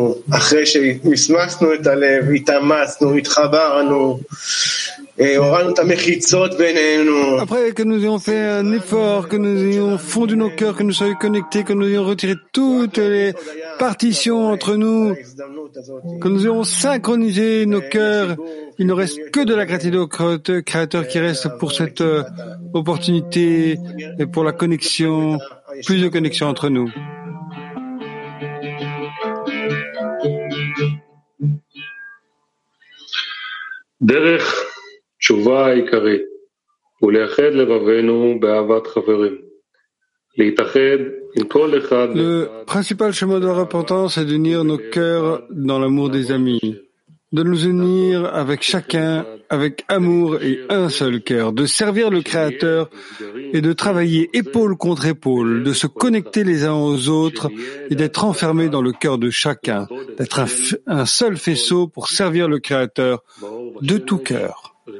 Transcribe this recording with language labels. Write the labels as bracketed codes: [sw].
[he] אחרי שמסמסנו את הלב, התאמסנו, התחברנו, [fr] Après que nous ayons fait un effort, que nous ayons fondu nos cœurs, que nous soyons connectés, que nous ayons retiré toutes les partitions entre nous, que nous ayons synchronisé nos cœurs, il ne reste que de la gratitude au Créateur qui reste pour cette opportunité et pour la connexion, plus de connexion entre nous. [he] דרך תשובה העיקרית ולאחד לבבינו באהבת חברים. להתאחד עם כל אחד... [fr] Le principal chemin de la repentance est d'unir nos cœurs dans l'amour des amis, de nous unir avec chacun, avec amour et un seul cœur, de servir le Créateur et de travailler épaule contre épaule, de se connecter les uns aux autres et d'être enfermés dans le cœur de chacun, d'être un seul faisceau pour servir le Créateur de tout cœur.